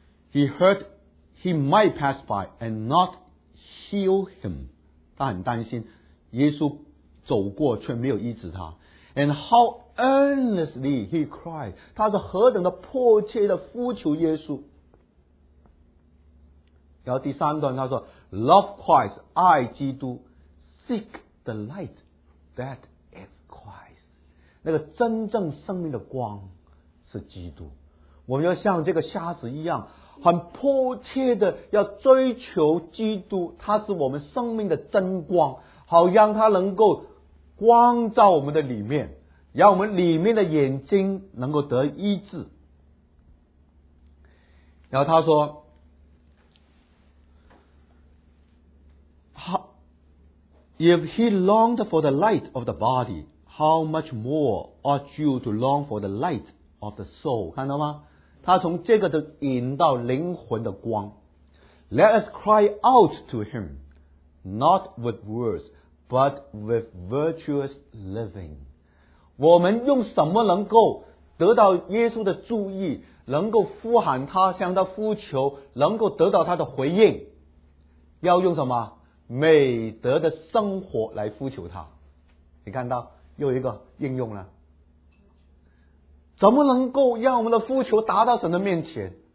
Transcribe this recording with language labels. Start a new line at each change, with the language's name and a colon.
English: He heard he might pass by and not heal him.
Chinese: 他很担心耶稣走过却没有医治他。
English: And howearnestly he cried,
Chinese: 他是何等的迫切的呼求耶稣。然后第三段他说
English: Love Christ,
Chinese: 爱基督，
English: Seek the light that is Christ,
Chinese: 那个真正生命的光是基督。我们要像这个瞎子一样很迫切的要追求基督，他是我们生命的真光，好让他能够光照我们的里面，让我们里面的眼睛能够得医治。然后他说
English: If he longed for the light of the body, how much more ought you to long for the light of the soul?
Chinese: 看到吗？他从这个的引到灵魂的光。
English: Let us cry out to him, not with words, but with virtuous living.
Chinese: 我们用什么能够得到耶稣的注意，能够呼喊他，向他呼求，能够得到他的回应？要用什么？美德的生活来呼求他。你看到又一个应用了，怎么能够让我们的呼求达到神的面前？